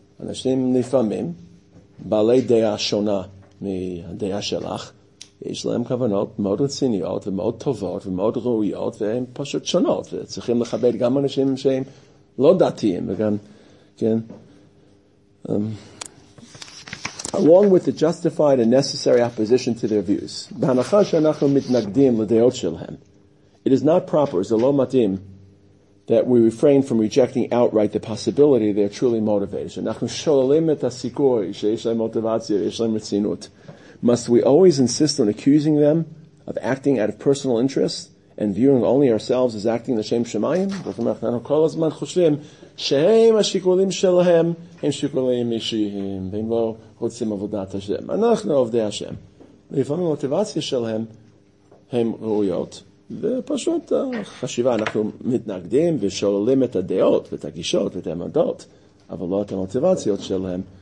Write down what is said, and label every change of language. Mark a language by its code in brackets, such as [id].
[he] אנשים לפעמים בעלי דעה שונה מהדעה שלך, יש להם כוונות מאוד רציניות ומאוד טובות ומאוד ראויות, והן פשוט שונות, וצריכים לכבד גם אנשים שהם לא דתיים וגם, כן, [en] Along with the justified and necessary opposition to their views, [he] בהנחה שאנחנו מתנגדים לדעות שלהם, [en] it is not proper, [he] זה לא מתאים, [en] that we refrain from rejecting outright the possibility they are truly motivated. [he] שאנחנו שוללים את הסיכוי שיש להם מוטיבציה ויש להם רצינות. [en] Must we always insist on accusing them of acting out of personal interest and viewing only ourselves as acting [he] לשם שמיים? זאת אומרת, אנחנו כל הזמן חושבים שהם השיקולים שלהם הם שיקולים אישיים, והם לא רוצים עבודת השם. אנחנו עובדי השם. לפעמים המוטיבציה שלהם הם ראויות, ופשוט חשיבה, אנחנו מתנגדים ושוללים את הדעות ואת הגישות ואת העמדות, אבל לא את המוטיבציות שלהם.